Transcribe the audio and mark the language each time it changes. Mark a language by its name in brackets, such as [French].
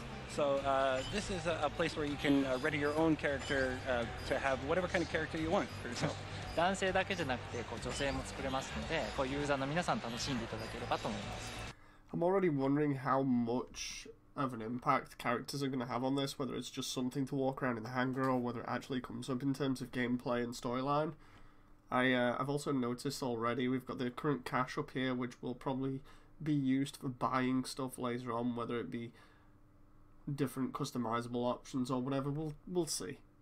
[English] So this is a place where you can ready your own character to have whatever kind of character you want for yourself. [Japanese] 男性だけじゃなくて、こう女性も作れますので、こうユーザーの皆さん楽しんでいただければと思います。 [English] I'm already wondering how much of an impact characters are going to have on this, whether it's just something to walk around in the hangar or whether it actually comes up in terms of gameplay and storyline. I've also noticed already we've got the current cash up here, which will probably be used for buying stuff later on, whether it be different customizable options or whatever, we'll see.